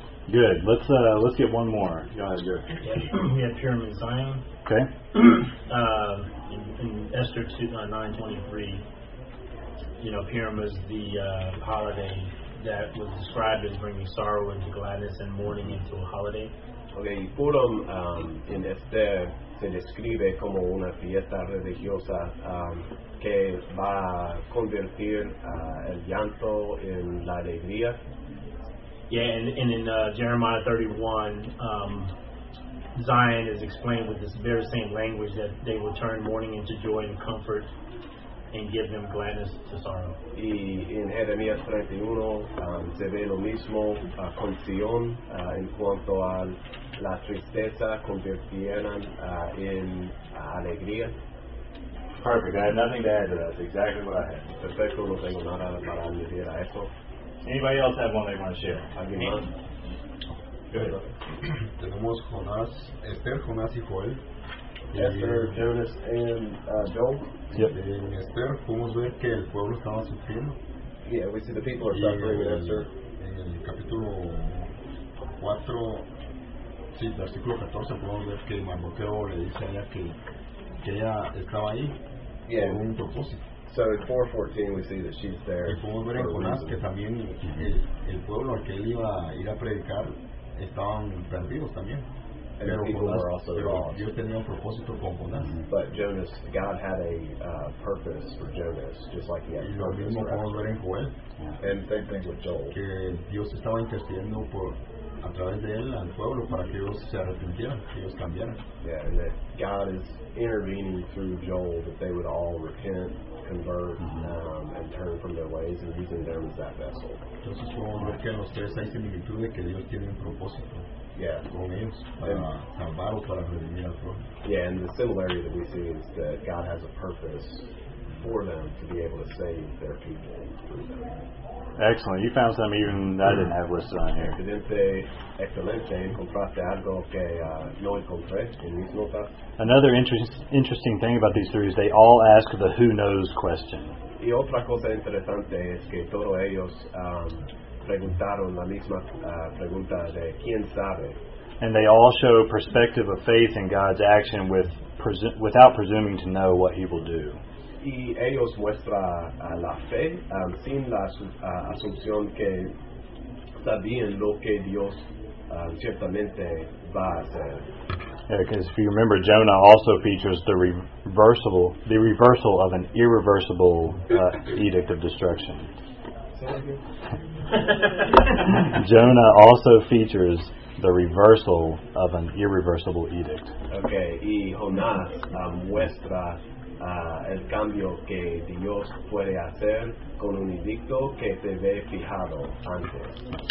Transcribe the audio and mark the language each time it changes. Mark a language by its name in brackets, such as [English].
[English] Good. Let's get one more. Go ahead, Jerry. We had Purim and Zion. Okay. In Esther 9:23, you know, Purim was the holiday that was described as bringing sorrow into gladness and mourning into a holiday. [Spanish] Okay, y Purim en Esther se describe como una fiesta religiosa que va a convertir el llanto en la alegría. [English] Yeah, and in Jeremiah 31, Zion is explained with this very same language that they will turn mourning into joy and comfort and give them gladness to sorrow. [Spanish] Y en Jeremías 31 se ve lo mismo con Sion en cuanto a la tristeza convirtieran en alegría. [English] Perfect. I have nothing to add to that. That's exactly what I had. [Spanish] Perfecto. No tengo nada para añadir a eso. [English] Anybody else have one they want to share? [Spanish] Alguien más. Tenemos Jonás, Esther, Jonás y Joel. [English] Esther, Jonas and Joel. Yep. [Spanish] En Esther podemos ver que el pueblo estaba sufriendo. [English] Yeah, we see the people are suffering with Esther. [Spanish] En el capítulo 4, sí, versículo 14, podemos ver que Mardoqueo le dice a ella que ella estaba ahí por un propósito. [English] So in 4:14 we see that she's there. [Spanish] Y podemos ver en Jonás que también el pueblo al que él iba a ir a predicar estaban perdidos también. [English] And [Spanish] pero [English] the people were also lost. [Spanish] Dios tenía un propósito con Jonás. [English] But Jonas, God had a purpose for Jonas, just like he had [Spanish] y lo mismo podemos ver en Joel. [English] And same thing with Joel. [Spanish] Que Dios estaba intercediendo por a través de él al pueblo para que ellos se arrepintieran, que ellos cambiaran. [English] Yeah, and that God is intervening through Joel that they would all repent, convert, and turn from their ways, and using them as that vessel. [Spanish] Entonces podemos ver que en los tres hay similitud de que Dios tiene un propósito. [English] Yeah, and the similarity that we see is that God has a purpose for them to be able to save their people through them. Excellent. You found some even I didn't have listed on here. [Spanish] Excelente, excelente. Encontraste algo que no encontré en mis notas. [English] Another interesting thing about these three is they all ask the who knows question. [Spanish] Y otra cosa interesante es que todos ellos preguntaron la misma pregunta de quién sabe. [English] And they all show perspective of faith in God's action with without presuming to know what he will do. [Spanish] Y ellos muestra la fe sin la asunción que sabían lo que Dios ciertamente va a hacer. [English] Yeah, because if you remember, Jonah also features the reversal of an irreversible edict of destruction. Jonah also features the reversal of an irreversible edict. [Spanish] Okay, y Jonás muestra el cambio que Dios puede hacer con un edicto que se ve fijado antes.